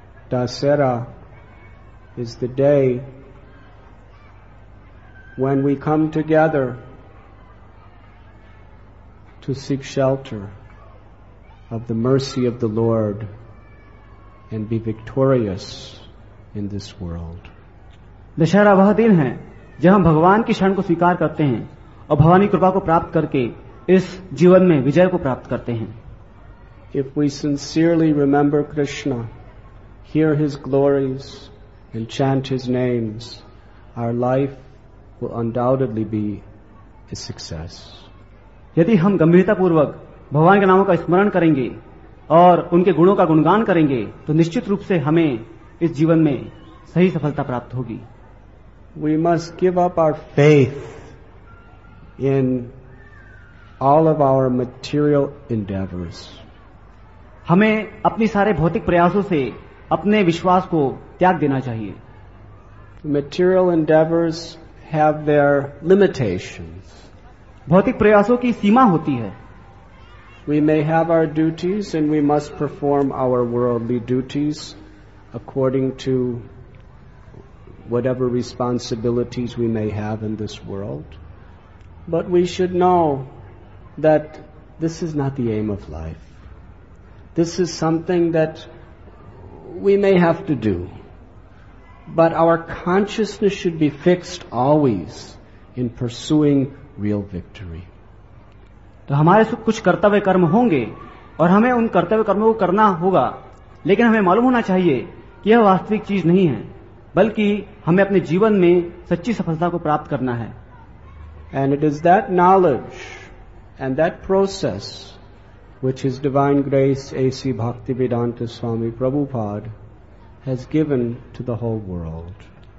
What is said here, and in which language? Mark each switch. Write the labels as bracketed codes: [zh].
[en] Dasera is the day when we come together to seek shelter of the mercy of the Lord and be victorious in this world. [hi] Dussehra वह दिन है जहां भगवान की शरण को स्वीकार करते हैं और भवानी कृपा को प्राप्त करके इस जीवन में विजय को प्राप्त करते हैं. [en] If we sincerely remember Krishna, hear his glories and chant his names, our life will undoubtedly be a success. [hi] यदि हम गंभीरता पूर्वक भगवान के नामों का स्मरण करेंगे और उनके गुणों का गुणगान करेंगे तो निश्चित रूप से हमें इस जीवन में सही सफलता प्राप्त होगी. [en] We must give up our faith in all of our material endeavors. [hi] हमें अपनी सारे भौतिक प्रयासों से अपने विश्वास को त्याग देना चाहिए. [en] Material endeavors have their limitations. [hi] भौतिक प्रयासों की सीमा होती है. [en] We may have our duties and we must perform our worldly duties according to whatever responsibilities we may have in this world. But we should know that this is not the aim of life. This is something that we may have to do. But our consciousness should be fixed always in pursuing real victory. [hi] तो हमारे कुछ कर्तव्य कर्म होंगे और हमें उन कर्तव्य कर्मों को करना होगा, लेकिन हमें मालूम होना चाहिए कि यह वास्तविक चीज नहीं है, बल्कि हमें अपने जीवन में सच्ची सफलता को प्राप्त करना है. [en] And it is that knowledge and that process which his divine grace A C Bhaktivedanta Swami Prabhupada has given to the whole world.